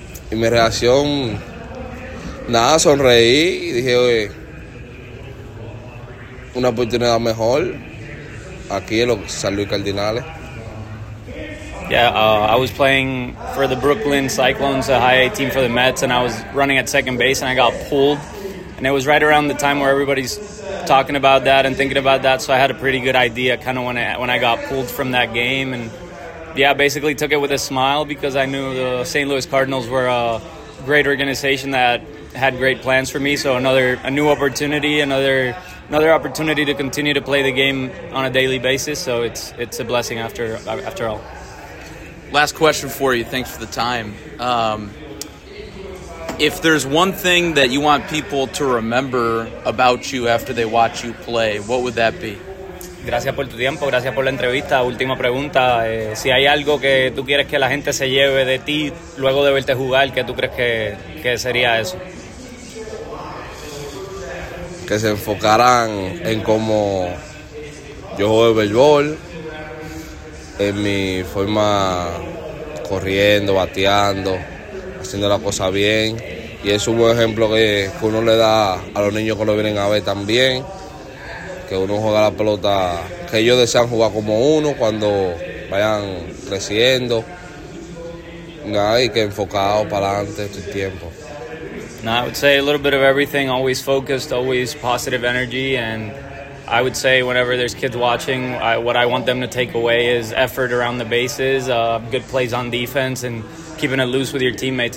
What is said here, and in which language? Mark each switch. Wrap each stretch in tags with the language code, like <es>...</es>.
<es>Y mi reacción, nada, sonreí y dije, oye, una oportunidad mejor aquí en los San Luis Cardinales.</es> <en>Yeah, I was playing for the Brooklyn Cyclones, a high A team for the Mets, and I was running at second base and I got pulled. And it was right around the time where everybody's talking about that and thinking about that, so I had a pretty good idea kind of when I got pulled from that game. And yeah, basically took it with a smile because I knew the St. Louis Cardinals were a great organization that had great plans for me. So another new opportunity opportunity to continue to play the game on a daily basis. So it's a blessing after all. Last question for you. Thanks for the time. If there's one thing that you want people to remember about you after they watch you play, what would that be?</en> <es>Gracias por tu tiempo, gracias por la entrevista. Última pregunta, si hay algo que tú quieres que la gente se lleve de ti luego de verte jugar, ¿qué tú crees que sería eso? Que se enfocaran en cómo yo juego el béisbol, en mi forma corriendo, bateando, haciendo la cosa bien. Y es un buen ejemplo que uno le da a los niños que lo vienen a ver también. Que uno juega la pelota, que ellos desean jugar como uno cuando vayan creciendo. Y que enfocado para adelante todo el tiempo.</es> <en>I would say a little bit of everything, always focused, always positive energy. And I would say whenever there's kids watching, what I want them to take away is effort around the bases, good plays on defense, and keeping it loose with your teammates.</en>